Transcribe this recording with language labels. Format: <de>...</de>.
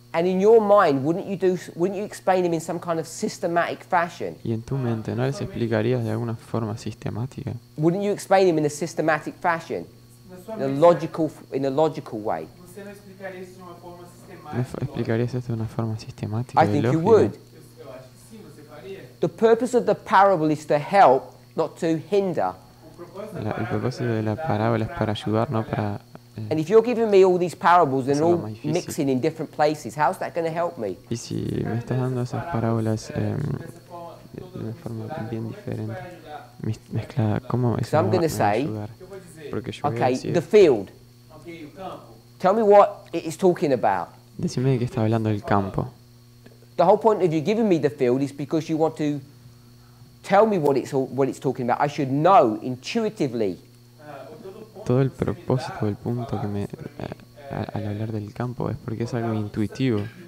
<en>And in your mind, wouldn't you explain them in some kind of systematic fashion?</en> <es>Y en tu mente, ¿no les explicarías de alguna forma sistemática?</es> <en>Wouldn't you explain them in a systematic fashion, in a logical way?</en> <es>¿No explicarías esto de una forma sistemática y lógica?</es> <en>I think you would. The purpose of the parable is to help, not to hinder.</en> <es>El propósito de la parábola es para ayudar, no para.</es> <en>And if you're giving me all these parables and all mixing in different places, how's that going to help me?</en> <es>Y si me estás dando esas parábolas de una forma bien diferente, mezclada, ¿cómo eso</es> <en>so I'm going to say,</en> <es>porque yo</es> <en>okay,</en> <es>voy a decir,</es> <en>the field. Tell me what it is talking about.</en> <es>Decime de qué está hablando el campo.</es> <en>The whole point of you giving me the field is because you want to tell me what it's talking about. I should know intuitively.</en> <es>Todo el propósito del punto que me al hablar del campo es porque es algo intuitivo.</es>